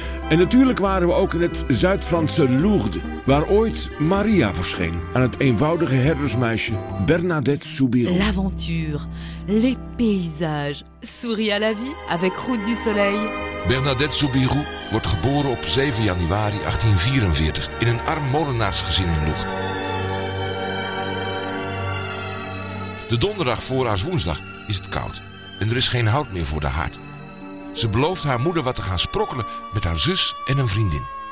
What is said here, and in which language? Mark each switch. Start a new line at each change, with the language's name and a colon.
Dutch: En natuurlijk waren we ook in het Zuid-Franse Lourdes, waar ooit Maria verscheen aan het eenvoudige herdersmeisje Bernadette Soubirous.
French: L'aventure, les paysages, souris à la vie avec Route du Soleil.
Dutch: Bernadette Soubirous wordt geboren op 7 januari 1844 in een arm molenaarsgezin in Lourdes. De donderdag voor haar woensdag is het koud en er is geen hout meer voor de haard. Ze belooft haar moeder wat te gaan sprokkelen met haar zus en een vriendin.